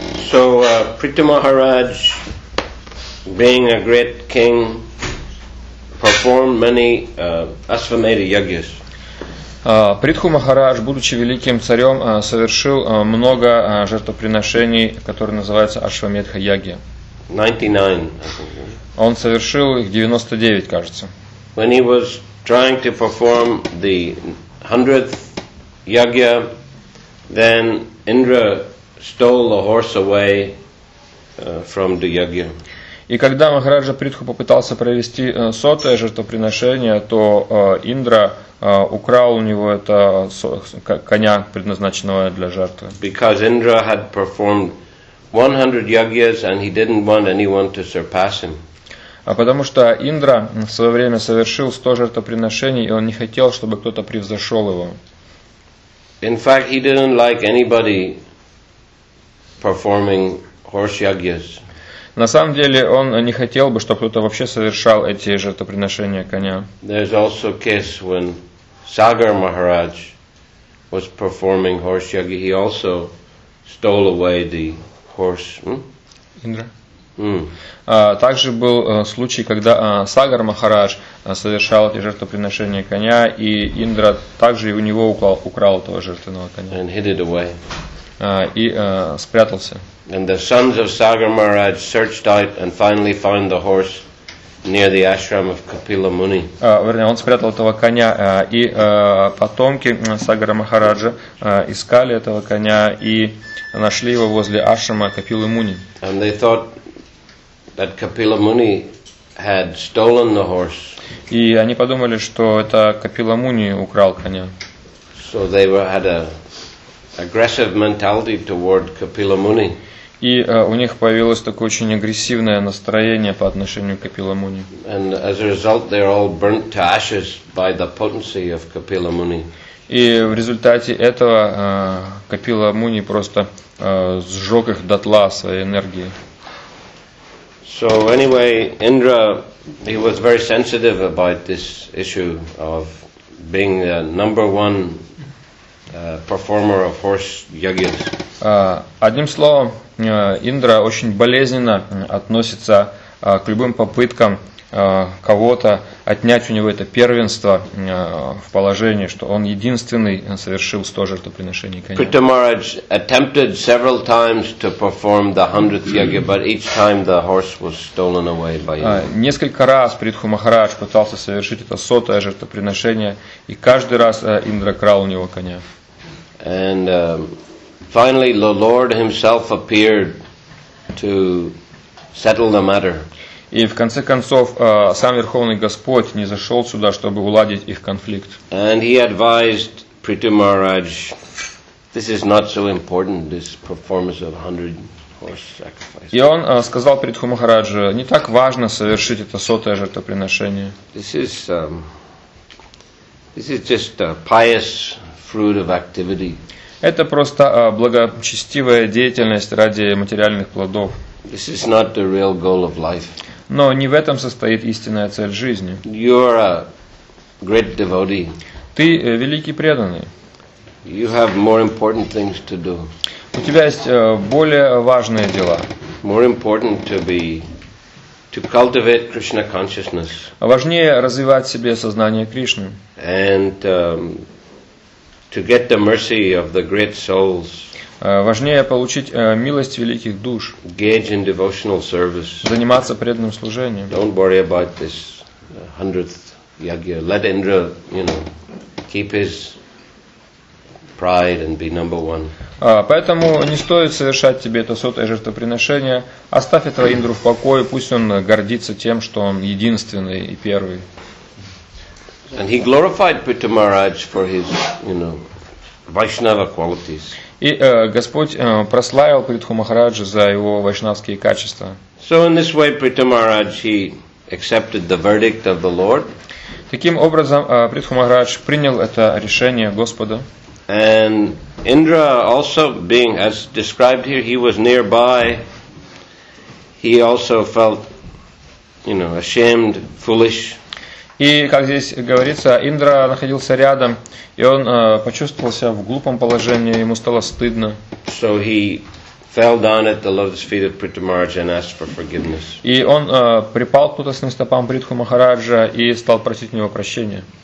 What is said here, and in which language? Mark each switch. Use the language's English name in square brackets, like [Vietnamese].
[English] So Prithu Maharaj, being a great king, performed many Ashvamedha yagyas. [Russian] Притху Махарадж, будучи великим царем, совершил много жертвоприношений, которые называются Ашвамедха Яги. [English] 99. [Russian] Он совершил их 99, кажется. [English] When he was trying to perform the 100th yagya, then Indra stole the horse away from the yagya. [Russian] И когда Махараджа Притху попытался провести сотое жертвоприношение, то Индра украл у него это коня, предназначенного для жертвы. [English] Because Indra had performed 100 yagyas and he didn't want anyone to surpass him. [Russian] А потому что Индра в свое время совершил 100 жертвоприношений, и он не хотел, чтобы кто-то превзошел его. [English] In fact, he didn't like anybody performing horse yagyas. [Russian] На самом деле, он не хотел бы, чтобы кто-то вообще совершал эти жертвоприношения коня. [English] There's also a case when Sagar Maharaj was performing horse yagya. He also stole away the horse. Indra. [Russian] Также был случай, когда Сагар Махарадж совершал эти жертвоприношения коня, и Индра также и у него украл этого жертвенного коня. [English] And hid it away. [Russian] Спрятался. [English] And the sons of Sagar Maharaj searched out and finally found the horse near the ashram of Kapila Muni. [Russian] Вернее, он спрятал этого коня, и потомки Сагара Махараджа искали этого коня и нашли его возле ашрама Капилы Муни. [English] And they thought that Kapila Muni had stolen the horse. [Russian] И они подумали, что это Капила Муни украл коня. [English] So they had an aggressive mentality toward Kapila Muni. [Russian] И у них появилось такое очень агрессивное настроение по отношению к Капила Муни. [English] And as a result, they're all burnt to ashes by the potency of Kapila Muni. [Russian] И в результате этого Капила Муни просто сжег их дотла своей энергией. [English] So anyway, Indra, he was very sensitive about this issue of being the number one performer of horse yagyas. [Russian] Одним словом, Индра очень болезненно относится к любым попыткам кого-то отнять у него это первенство в положении, что он единственный совершил 100 жертвоприношений коня. [English] Pritha Maharaj attempted several times to perform the 100th yagya, but each time the horse was stolen away by him. [Russian] Несколько раз Притху Махарадж пытался совершить это 100-е жертвоприношение, и каждый раз Индра крал у него коня. [English] And finally the Lord himself appeared to settle the matter. [Russian] И в конце концов, сам Верховный Господь не зашел сюда, чтобы уладить их конфликт. [English] And he advised Prithu Maharaj, this is not so important, this performance of 100 horse sacrifices. [Russian] И он сказал Притху Махараджу, не так важно совершить это 100-е жертвоприношение. [English] This is just a pious fruit of activity. [Russian] Это просто благочестивая деятельность ради материальных плодов. [English] This is not the real goal of life. [Russian] Но не в этом состоит истинная цель жизни. [English] You are a great devotee. [Russian] Ты великий преданный. [English] You have more important things to do. [Russian] У тебя есть более важные дела. [English] More important to cultivate Krishna consciousness. [Russian] Важнее развивать в себе сознание Кришны. [English] And to get the mercy of the great souls. [Russian] Важнее получить милость великих душ. [English] Engage in devotional service. [Russian] Заниматься преданным служением. [English] Don't worry about this 100th yagya. Let Indra, you know, keep his pride and be number one. [Russian] Поэтому не стоит совершать тебе это 100-е жертвоприношение. Оставь этого Индру в покое, пусть он гордится тем, что он единственный и первый. [English] And he glorified Prithu Maharaj for his, you know, Vaishnava qualities. [Russian] И Господь прославил Притху Махараджа за его вайшнавские качества. [English] So in this way Prithu Maharaj he accepted the verdict of the Lord. [Russian] Таким образом Притху Махарадж принял это решение Господа. [English] And Indra also being as described here, he was nearby. He also felt, you know, ashamed, foolish. [Russian] И, как здесь говорится, Индра находился рядом, и он почувствовал себя в глупом положении, ему стало стыдно. [English] So he fell down at the lotus feet of Prithu Maharaj and asked for forgiveness. [Russian] И он припал к лотосным стопам Притху Махараджа и стал просить у него прощения.